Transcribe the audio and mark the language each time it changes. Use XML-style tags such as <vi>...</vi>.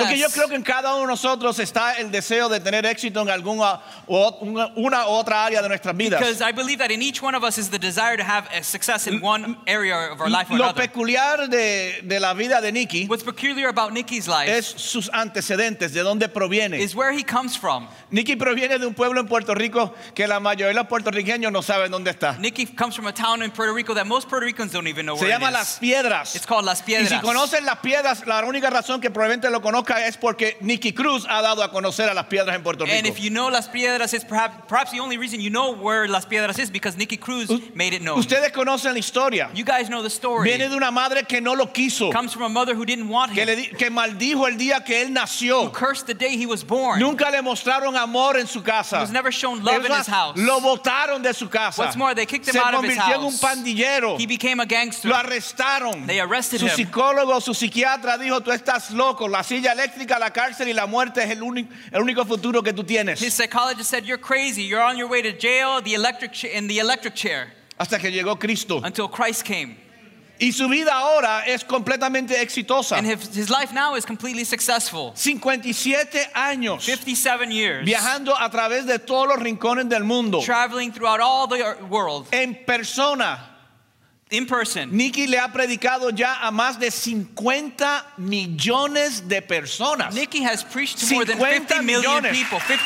<es>Porque yo creo que en cada uno de nosotros está el deseo de tener éxito en alguna una u otra área de nuestras vidas.</es> <en>Because I believe that in each one of us is the desire to have a success in one area of our life or another.</en> <es>Lo peculiar de la vida de Nikki.</es> <en>What's peculiar about Nikki's life?</en> <es>Es sus antecedentes, de dónde proviene.</es> <en>Is where he comes from.</en> <es>Nikki proviene de un pueblo en Puerto Rico que la mayoría de los puertorriqueños no saben dónde está.</es> <en>Nikki comes from a town in Puerto Rico that most Puerto Ricans don't even know</en> <es>se</es> <en>where</en> <es>llama</es> <en>it is.</en> <es>Las Piedras.</es> <en>It's called Las Piedras.</en> <es>Y si conocen Las Piedras, la única razón que probablemente lo conozca es porque Nikki Cruz ha dado a conocer a Las Piedras en Puerto Rico.</es> <en>And if you know Las Piedras, it's perhaps the only reason you know where Las Piedras is because Nikki Cruz made it known.</en> <es>Ustedes conocen la historia.</es> <en>You guys know the story.</en> <es>Viene de una madre que no lo quiso.</es> <en>Comes from a mother who didn't want him.</en> <es>Que maldijo el día que él nació.</es> <en>Who cursed the day he was born.</en> <es>Nunca le mostraron amor en su casa.</es> <en>He was never shown love in his house.</en> <es>Lo botaron de su casa.</es> <en>What's more, they kicked him out of his house.</en> <es>Se convirtió en un pandillero.</es> <en>He became a gangster.</en> <es>Lo arrestaron.</es> <en>They arrested him.</en> <es>Su psicólogo, su psiquiatra dijo, tú estás loco. La silla eléctrica, la cárcel y la muerte es el único futuro que tú tienes.</es> <en>His psychologist said, you're crazy. You're on your way to jail, the electric chair.</en> <es>Hasta que llegó Cristo.</es> <en>Until Christ came.</en> <es>Y su vida ahora es completamente exitosa.</es> <en>And his life now is completely successful.</en> <es>57 años.</es> <en>57 years.</en> <es>Viajando a través de todos los rincones del mundo.</es> <en>Traveling throughout all the world.</en> <es>En persona.</es> <en>In person.</en> <es>Nikki le ha predicado ya a más de 50 millones de personas.</es> <en>Nikki has preached to more than 50 million people.</en>